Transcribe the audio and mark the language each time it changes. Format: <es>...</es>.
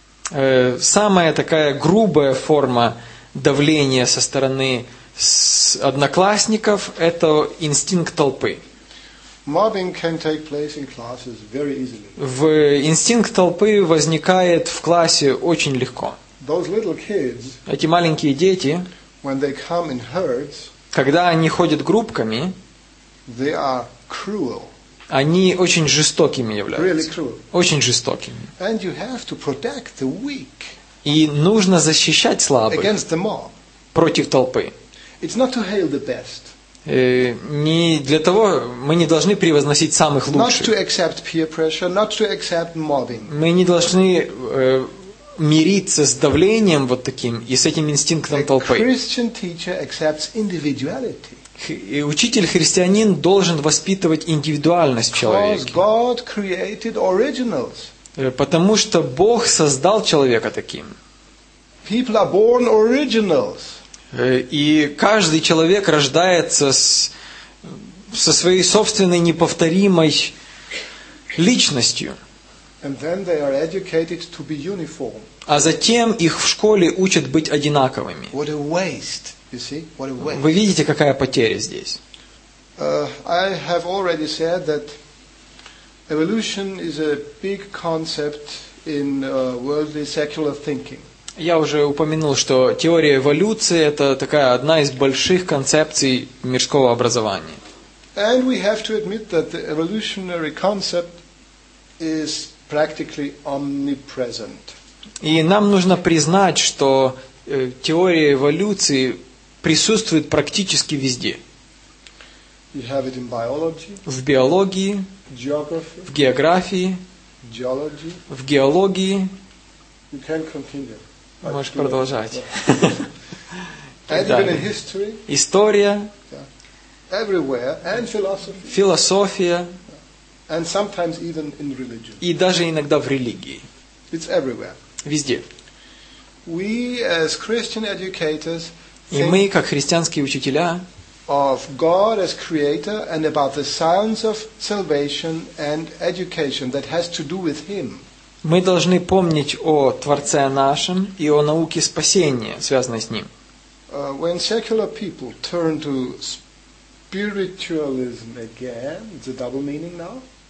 <ru>Самая такая грубая форма давления со стороны одноклассников – это инстинкт толпы.</ru> <en>Mobbing can take place in classes very easily.</en> <ru>В инстинкт толпы возникает в классе очень легко.</ru> <en>Those little kids,</en> <ru>эти маленькие дети,</ru> <en>when they come in herds,</en> <ru>когда они ходят группками,</ru> <en>they are cruel.</en> <ru>Они очень жестокими являются.</ru> <en>Really cruel.</en> <ru>Очень жестокими.</ru> <en>And you have to protect the weak.</en> <ru>И нужно защищать слабых против толпы.</ru> <en>It's not to hail the best.</en> <ru>Не для того, мы не должны превозносить самых лучших.</ru> <en>Not to accept peer pressure, not to accept mobbing.</en> <ru>Мы не должны мириться с давлением вот таким и с этим инстинктом толпы.</ru> <en>A Christian teacher accepts individuality.</en> <ru>И учитель-христианин должен воспитывать индивидуальность в человеке.</ru> <en>Because God created originals.</en> <ru>Потому что Бог создал человека таким.</ru> <en>People are born originals.</en> <ru>И каждый человек рождается со своей собственной неповторимой личностью.</ru> <en>And then they are educated to be uniform.</en> <ru>А затем их в школе учат быть одинаковыми.</ru> <en>What a waste, you see? What a waste.</en> <ru>Вы видите, какая потеря здесь?</ru> <en>I have already said that evolution is a big concept in worldly secular thinking.</en> <ru>Я уже упомянул, что теория эволюции – это такая одна из больших концепций мирского образования.</ru> <en>And we have to admit that the evolutionary concept is practically omnipresent.</en> <ru>И нам нужно признать, что теория эволюции присутствует практически везде.</ru> <en>You have it in biology,</en> <ru>в биологии,</ru> <en>geography,</en> <ru>в географии,</ru> <en>geology,</en> <ru>в геологии.</ru> <en>You can continue.</en> <ru>Можешь продолжать.</ru> <en>History,</en> <ru>история, yeah, философия,</ru> <en>and sometimes even in religion.</en> <ru>И даже иногда в религии.</ru> <en>It's everywhere.</en> <ru>Везде.</ru> <en>We, as Christian educators,</en> <ru>и мы, как христианские учителя,</ru> <en>of God as creator and about the science of salvation and education that has to do with Him.</en> <ru>Мы должны помнить о Творце нашем и о науке спасения, связанной с Ним.</ru> <en>When secular people turn to spiritualism again, it's a double meaning now.</en>